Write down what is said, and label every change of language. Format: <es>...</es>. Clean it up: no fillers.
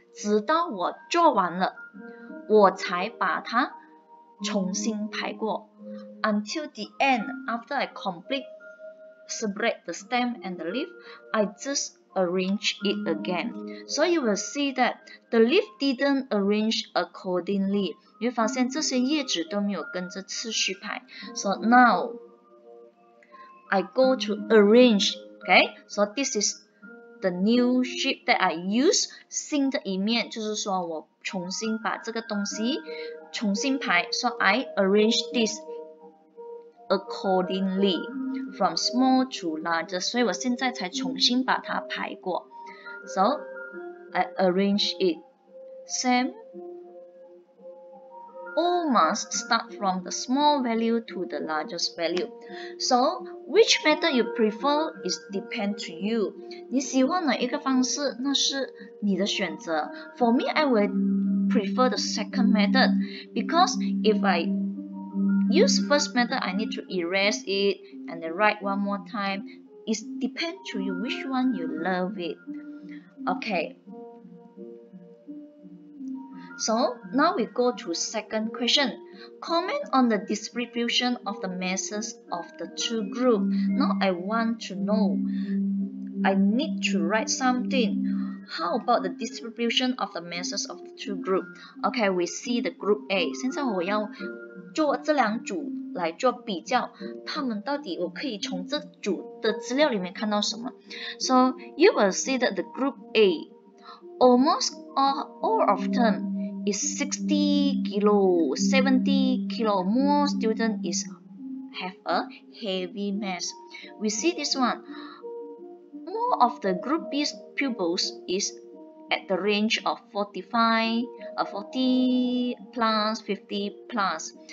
<zh>直到我做完了，我才把它重新排过。</zh> <en>Until the end, after I complete, separate the stem and the leaf, I just arrange it again. So you will see that the leaf didn't arrange accordingly.</en> <zh>你会发现这些叶子都没有跟着次序排。</zh> <en>So now, I go to arrange. Okay, so this is the new shape that I use.</en> <zh>新的一面就是说我重新把这个东西重新排。</zh> <en>So I arrange this. Accordingly, from small to larger.</en> <zh>所以我现在才重新把它排过。</zh> <en>So, I arrange it. Same. All must start from the small value to the largest value. So, which method you prefer is depend to you.</en> <zh>你喜欢哪一个方式，那是你的选择。</zh> <en>For me, I would prefer the second method. Because if I... Use first method, I need to erase it and then write one more time. It depends to you which one you love it. Okay. So, now we go to second question. Comment on the distribution of the masses of the two groups. Now I want to know. I need to write something. How about the distribution of the masses of the two groups? Okay, we see the group A.</en> <zh>现在我要做这两组来做比较，他们到底我可以从这组的资料里面看到什么？</zh> <en>So you will see that the group A almost all of them is 60 kilo, 70 kilo. More student is have a heavy mass. We see this one. More of the group B pupils is at the range of 40 plus 50 plus.</en>